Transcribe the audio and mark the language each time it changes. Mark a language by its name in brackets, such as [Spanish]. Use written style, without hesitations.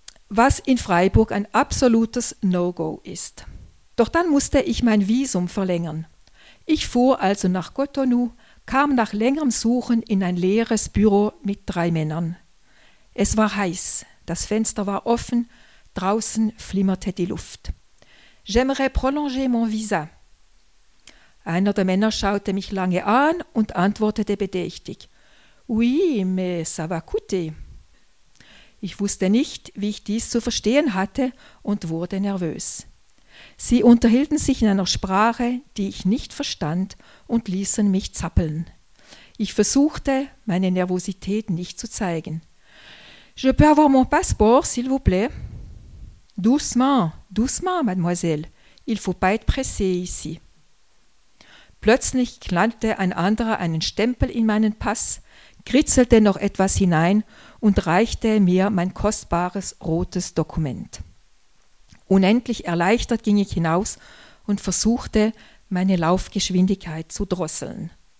[German] was in Freiburg ein absolutes No-Go ist. Doch dann musste ich mein Visum verlängern. Ich fuhr also nach Cotonou, kam nach längerem Suchen in ein leeres Büro mit drei Männern. Es war heiß, das Fenster war offen, draußen flimmerte die Luft. [French] J'aimerais prolonger mon visa. [German] Einer der Männer schaute mich lange an und antwortete bedächtig: [French] Oui, mais ça va coûter. [German] Ich wusste nicht, wie ich dies zu verstehen hatte und wurde nervös. Sie unterhielten sich in einer Sprache, die ich nicht verstand, und ließen mich zappeln. Ich versuchte, meine Nervosität nicht zu zeigen. [French] Je peux avoir mon passeport, s'il vous plaît? Doucement, doucement, mademoiselle. Il faut pas être pressé ici. [German] Plötzlich knallte ein anderer einen Stempel in meinen Pass, kritzelte noch etwas hinein und reichte mir mein kostbares rotes Dokument. Unendlich erleichtert ging ich hinaus und versuchte, meine Laufgeschwindigkeit zu drosseln.